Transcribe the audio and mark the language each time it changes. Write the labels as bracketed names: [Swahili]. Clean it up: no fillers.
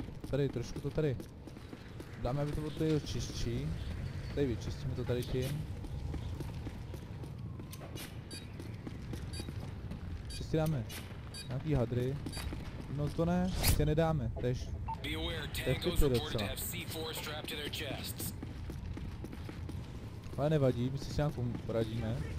[Czech] Tady trošku to tady. Dáme, aby to bylo tady čistší. Tady vyčistíme to tady tím. Čistě dáme nějaký hadry. No to ne, tě nedáme, tež. [English] Be aware, tankos report to have C4 strapped to their chests. [Czech] Ale nevadí, my si nějak poradíme.